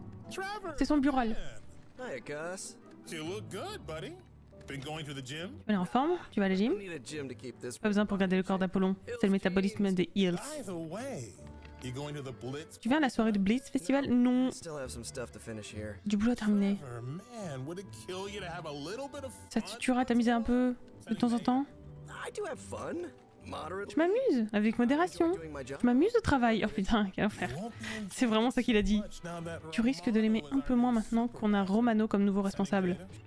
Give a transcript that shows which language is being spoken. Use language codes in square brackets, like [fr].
[fr] Trevor, c'est son bureau. [en] Hi, Gus. You look good, buddy. Been going to the gym? [fr] Tu es en forme? Tu vas à la gym? Pas besoin pour garder le corps d'Apollon. C'est le métabolisme des Hills. Tu viens à la soirée du Blitz Festival? Non. [en] Still have some stuff to finish here. [fr] Du boulot à terminer. [en] Trevor, man, would it kill you to have a little bit of fun? [fr] Ça te tuera à t'amuser un peu de temps en temps? [en] I do have fun. [fr] Je m'amuse, avec modération. Je m'amuse au travail. Oh putain, quel enfer. C'est vraiment ça qu'il a dit. Tu risques de l'aimer un peu moins maintenant qu'on a Romano comme nouveau responsable.